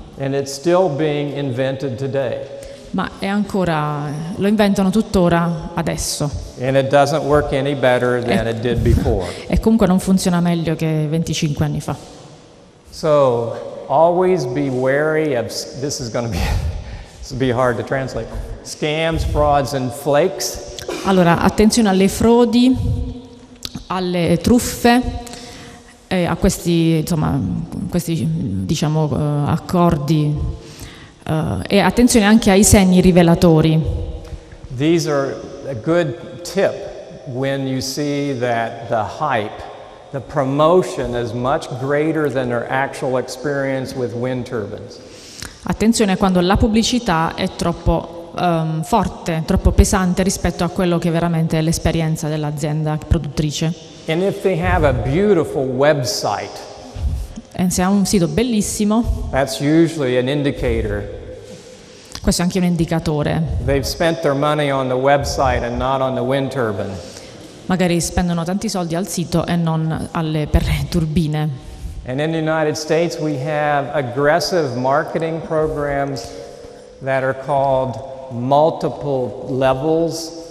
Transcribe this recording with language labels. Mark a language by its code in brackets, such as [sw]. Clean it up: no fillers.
[en] And it's still being invented today. [it] Ma è ancora, lo inventano tuttora adesso. [en] And it doesn't work any better than it did before. [it] E comunque non funziona meglio che 25 anni fa. [en] So always be wary of, this is going to be, this will be hard to translate, scams, frauds and flakes. [it] Allora, attenzione alle frodi, alle truffe, a questi, insomma, questi, diciamo, accordi. E attenzione anche ai segni rivelatori. [en] These are a good tip when you see that the hype, the promotion is much greater than their actual experience with wind turbines. [it] Attenzione quando la pubblicità è troppo forte, troppo pesante rispetto a quello che veramente è l'esperienza dell'azienda produttrice. [en] And if they have a beautiful website. [it] E se ha un sito bellissimo. [en] That's usually an indicator. [it] Questo è anche un indicatore. [en] They've spent their money on the website and not on the wind turbine. [it] Magari spendono tanti soldi al sito e non alle turbine. [en] And in the United States we have aggressive marketing programs that are called multiple levels